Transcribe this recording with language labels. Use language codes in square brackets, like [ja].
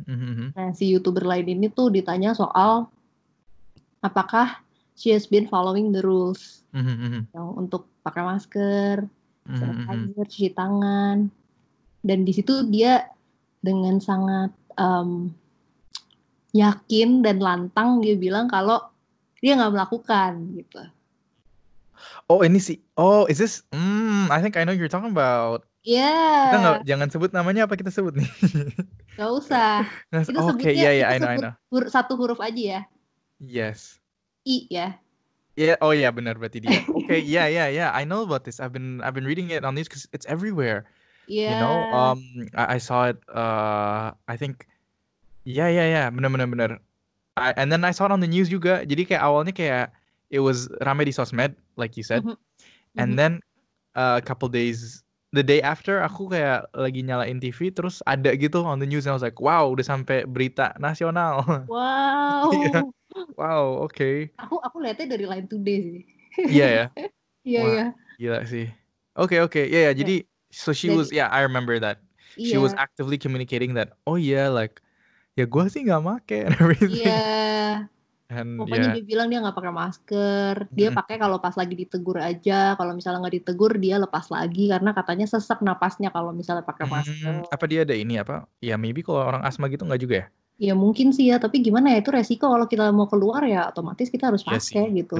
[id] Mm-hmm. Nah, si YouTuber lain ini tuh ditanya soal apakah [en] she has been following the rules. Mm-hmm. [id] Yang untuk pakai masker, sanitizer, cuci tangan. Dan di situ dia dengan sangat yakin dan lantang dia bilang kalau dia nggak melakukan gitu. [en] Oh [id] ini sih, [en] oh is this, I think I know you're talking about. Yeah. [id] Kita nggak, jangan sebut namanya, apa kita sebut nih? Gak usah. Kita sebut satu huruf aja ya. [en] Yes. [id] I ya. [en] Yeah. Oh yeah, [id] benar berarti dia. [en] Okay. Yeah. I know about this. I've been reading it on news because it's everywhere. Yeah. You know, I saw it. I think, yeah. Benar. And then I saw it on the news juga. [id] Jadi kayak awalnya kayak [en] it was [id] rame di sosmed, [en] like you said. Mm-hmm. And then a couple days, the day after, [id] aku kayak lagi nyalain TV, terus ada gitu [en] on the news, and I was like, wow, [id] udah sampai berita nasional. [en] Wow. Yeah. Wow. Okay. [id] Aku lihatnya dari Line Today sih. [en] Yeah. [id] Gila sih. [en] Okay. Yeah. Jadi. So she was, yeah, I remember that. She was actively communicating that, oh yeah, like, [id] ya gue sih gak pake [en] and everything. [id] Yeah. And, pokoknya dia bilang dia gak pakai masker. Dia pakai kalau pas lagi ditegur aja. Kalau misalnya gak ditegur, dia lepas lagi. Karena katanya sesak napasnya kalau misalnya pakai masker. Apa dia ada ini apa? Ya maybe kalau orang asma gitu gak juga ya? Ya mungkin sih ya. Tapi gimana ya, itu resiko kalau kita mau keluar ya otomatis kita harus pakai gitu.